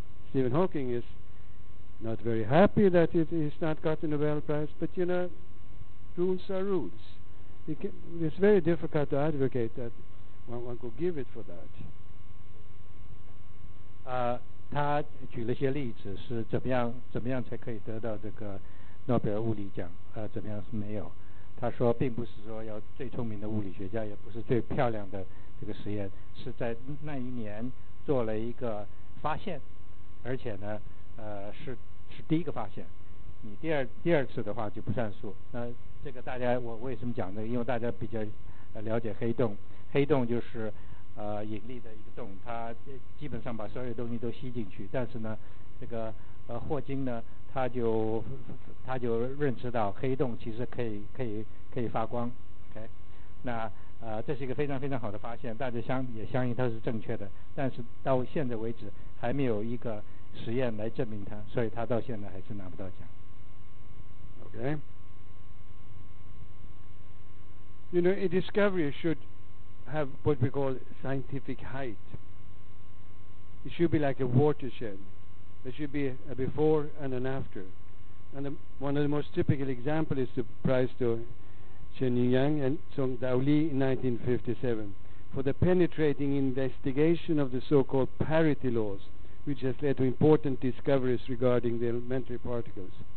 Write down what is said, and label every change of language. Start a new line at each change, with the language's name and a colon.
English: Stephen Hawking is not very happy that he's not got the Nobel Prize, but you know, rules are rules. It's very difficult to advocate that one could give it for that.
Chinese: 他举了一些例子，是怎么样才可以得到这个诺贝尔物理奖？怎么样是没有？他说，并不是说要最聪明的物理学家，也不是最漂亮的这个实验，是在那一年做了一个发现，而且呢，是第一个发现。你第二次的话就不算数。那这个大家，我为什么讲这个？因为大家比较了解黑洞，黑洞就是。引力的一个洞，它基本上把所有东西都吸进去。但是呢，这个霍金呢，他就认识到黑洞其实可以发光。 OK， 那这是一个非常非常好的发现，大家相信它是正确的。但是到现在为止，还没有一个实验来证明它，所以它到现在还是拿不到奖。
English: Okay. You know, a discovery should have what we call scientific height. It should be like a watershed. There should be a before and an after. And one of the most typical examples is the prize to Chen Yingyang and Song Daoli in 1957 for the penetrating investigation of the so-called parity laws, which has led to important discoveries regarding the elementary particles.